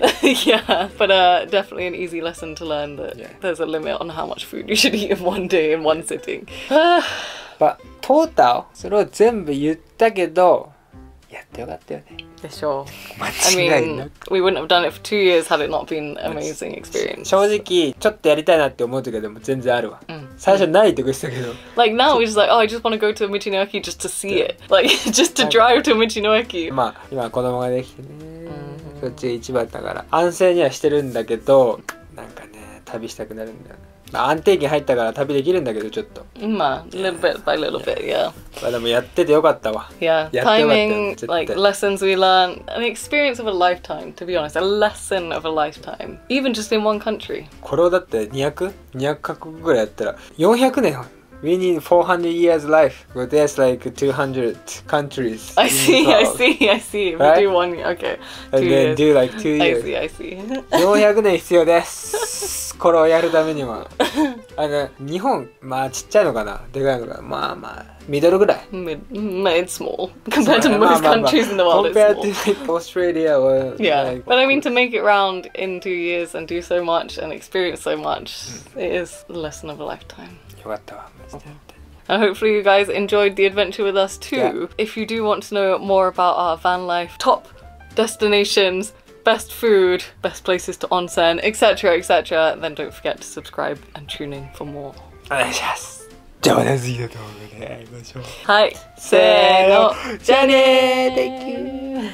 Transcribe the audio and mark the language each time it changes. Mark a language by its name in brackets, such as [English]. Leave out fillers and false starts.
[English] Yeah, but definitely an easy lesson to learn that、yeah. there's a limit on how much food you should eat in one day in one sitting. But total, [Japanese] それを全部言ったけど、やってよかったよね。でしょう。間違いなく。 [English] I mean, we wouldn't have done it for 2 years had it not been an amazing experience. [Japanese] 正直、ちょっとやりたいなって思う時でも全然あるわ。うん、最初ないって言ってたけど。 [English] Like now we're just like, oh, I just want to go to Michinoaki just to see it. Like, just to drive to Michinoaki. [Japanese] まあ、今子供ができてね。そっちが一番だから。安静にはしてるんだけど、なんかね、旅したくなるんだよね。まあ、安定期入ったから旅できるんだけどちょっと。 [English] まあ、little bit by little bit, yeah. [Japanese] まあでもやっててよかったわ。 [English] Yeah, timing, like lessons we learn, an experience of a lifetime, to be honest, a lesson of a lifetime, even just in one country. [Japanese] これをだって200カ国ぐらいやったら400年。 [English] We need 400 years life, but there's like 200 countries. I see. Right? We do 1 year, okay. And then do like 2 years. I see. [Japanese] 400 年必要です。これをやるためには。あの、日本、まあちっちゃいのかな、でかいのかな、まあまあ、ミドルぐらい。 [English] まあ、it's small. Compared to most countries in the world, it's small. Compared to like Australia or yeah. Like, but I mean, to make it round in 2 years and do so much and experience so much, it is the lesson of a lifetime. [Japanese] よかったわ。 [English] And hopefully you guys enjoyed the adventure with us too. Yeah. If you do want to know more about our van life, top destinations, best food, best places to onsen, etc., etc., then don't forget to subscribe and tune in for more. Yes. [Japanese] じゃあ次の動画で会いましょう。はい。せーの。じゃあねー。